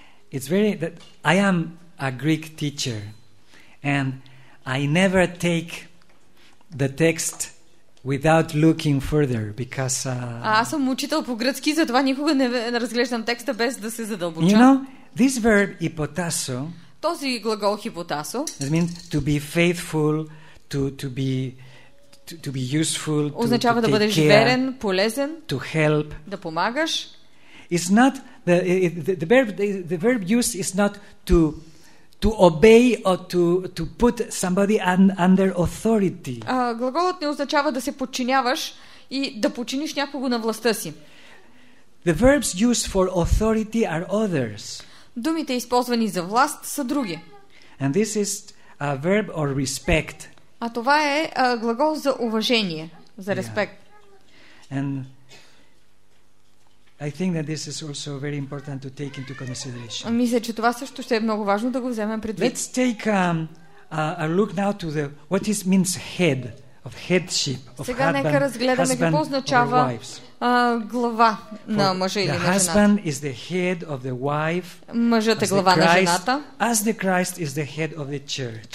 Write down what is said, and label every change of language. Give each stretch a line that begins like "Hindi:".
English: It's very that I am a Greek teacher and I never take the text without looking further because
Bulgarian: аз съм учител по гръцки, затова никога не разглеждам текста без да се задълбоча.
English: You know, this verb hypotasso.
Bulgarian: Този глагол hypotasso.
English: It means to be faithful, to be useful, to
Bulgarian: означава
English: to
Bulgarian: да бъдеш верен, полезен,
English: to help,
Bulgarian: да помагаш.
English: It's not the verb used is not to obey or to put somebody under authority.
Bulgarian: Глаголът не означава да се подчиняваш и да подчиниш някого на властта си.
English: The verbs used for authority are others.
Bulgarian: Думите, използвани за власт, са други.
English: And this is a verb or respect.
Bulgarian: А това е глагол за уважение, за респект.
English: Yeah. And I think that this is also very important to take into consideration.
Bulgarian: Мисля, че това също ще е много важно да го вземем предвид.
English: Let's take a look now to the what it means head of headship of
Bulgarian: Сега нека разгледаме какво означава глава на мъжа или на жената.
English: The husband is the head of the wife.
Bulgarian: Мъжът е глава на жената.
English: As the Christ is the head of the church.